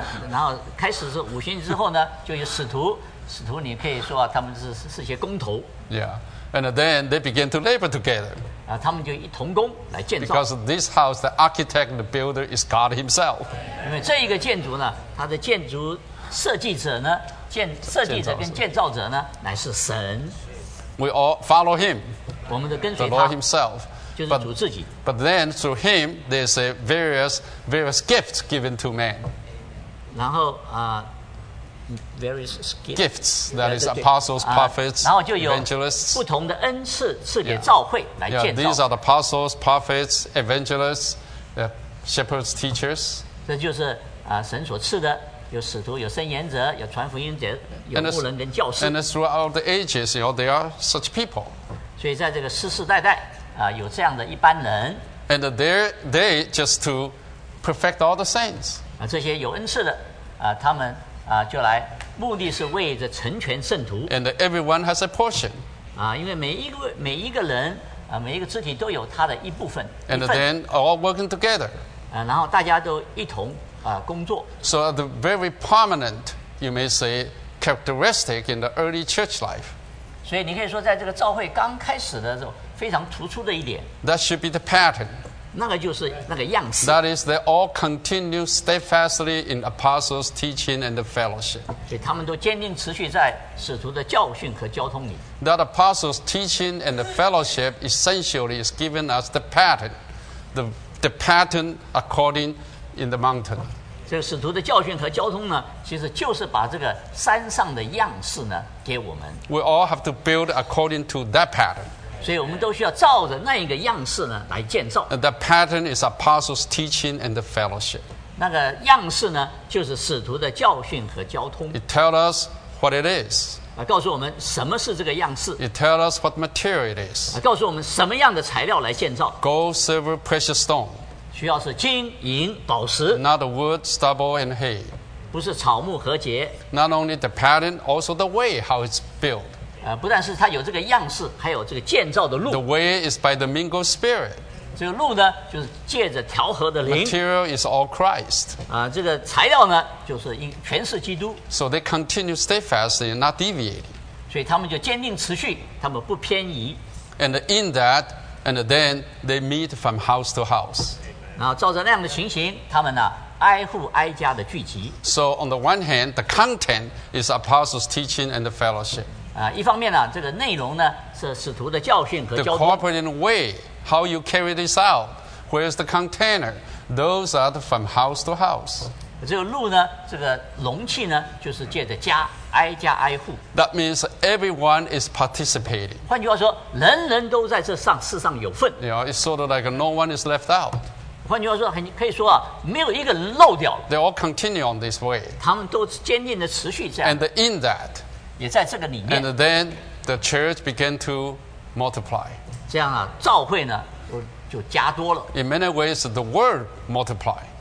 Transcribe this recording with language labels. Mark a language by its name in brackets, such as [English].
[Chinese] 然后开始是五旬之后呢，就有使徒，你可以说、啊、他们是些工头。 [English] Yeah, and then they begin to labor together. [Chinese] 他们就一同工来建造。 [English] Because this house, the architect, the builder is God Himself. [Chinese] 因为这一个建筑呢，它的建筑设计者呢。设计者跟建造者呢，乃是神。 [English] We all follow him. [Chinese] 我们都跟随他。 [English] The Lord himself. [Chinese] 就是主自己。 [English] But then through him, there's a various gifts given to man. [Chinese] 然后various [English] gifts, that is apostles, prophets, evangelists. [Chinese] 不同的恩赐赐给召会来建造。 [English] Yeah, these are the apostles, prophets, evangelists, shepherds, teachers. [Chinese] 这就是神所赐的，有使徒，有伸言者，有传福音者，有牧人跟教师。 [English] And throughout the ages, you know, there are such people. [Chinese] 所以在这个世世代代有这样的一般人。 [English] And they just to perfect all the saints. [Chinese] 这些有恩赐的他们就来，目的是为着成全圣徒。 [English] And everyone has a portion. [Chinese] 因为每一个人每一个肢体都有他的一部分。 [English] And then all working together. [Chinese] 然后大家都一同工作。 [English] So the very prominent, you may say, characteristic in the early church life. [Chinese] 所以你可以说在这个召会刚开始的时候非常突出的一点。 [English] That should be the pattern. [Chinese] 那个就是那个样式。 [English] That is, they all continue steadfastly in apostles, teaching, and the fellowship. [Chinese] 所以他们都坚定持续在使徒的教训和交通里。 [English] That apostles, teaching, and the fellowship essentially is giving us the pattern. The pattern according in the mountain. [Chinese] 这个使徒的教训和交通呢，其实就是把这个山上的样式呢给我们。 [English] We all have to build according to that pattern. [Chinese] 所以我们都需要照着那一个样式呢来建造。 [English] The pattern is apostles' teaching and the fellowship. [Chinese] 那个样式呢，就是使徒的教训和交通。 [English] It tells us what it is. [Chinese] 告诉我们什么是这个样式。 [English] It tells us what material it is. [Chinese] 告诉我们什么样的材料来建造。 [English] Gold, silver, precious stone. [Chinese] 需要是金银宝石。 [English] Not wood, stubble, and hay. [Chinese] 不是草木和秸。 [English] Not only the pattern, also the way how it's built. [Chinese] 不但是它有这个样式，还有这个建造的路。 [English] The way is by the mingled spirit. [Chinese] 这个路呢，就是借着调和的灵。 [English] Material is all Christ. [Chinese] 这个材料呢，就是全是基督。 [English] So they continue steadfastly, not deviating. [Chinese] 所以他们就坚定持续，他们不偏移。 [English] And in that, and then they meet from house to house. [Chinese] 然后照着那样的情形，他们呢，挨户挨家的聚集。 [English] So on the one hand, the content is apostles' teaching and the fellowship. [Chinese] 一方面呢，这个内容呢是使徒的教训和交通。 [English] The corporate way, how you carry this out, where's the container? Those are the from house to house. [Chinese] 这个路呢，这个容器呢，就是借着家挨家挨户。 [English] That means everyone is participating. [Chinese] 换句话说，人人都在这上世上有份。 [English] You know, it's sort of like no one is left out. [Chinese] 换句话说，可以说没有一个人漏掉了。 [English] They all continue on this way. [Chinese] 他们都坚定的持续这样。 [English] And in that. [Chinese] 也在这个里面。 [English] And then the church began to multiply. [Chinese] 这样啊，召会呢就加多了。 [English] In many ways, the word multiply.